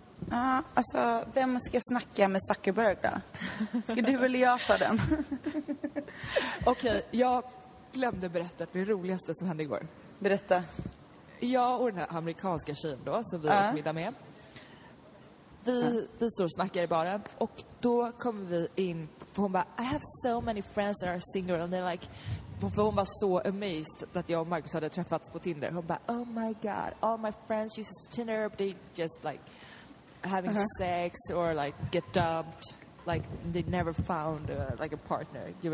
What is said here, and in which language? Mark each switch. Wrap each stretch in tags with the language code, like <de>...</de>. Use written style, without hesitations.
<sv>Ja, alltså, vem ska snacka med Zuckerberg då? Ska du väl läsa den? Okej, jag glömde berätta det roligaste som hände igår. Berätta. Jag och den här amerikanska tjejen då, som vi har middag med. Vi står och snackar i baren. Och då kommer vi in. För hon bara,</sv> <en>I have so many friends that are single. And they're like,</en> <sv>för hon var så amazed att jag och Marcus hade träffats på Tinder. Hon bara,</sv> <en>oh my god, all my friends use Tinder. But they just like having sex or like get dumped, like they never found like a partner.</en>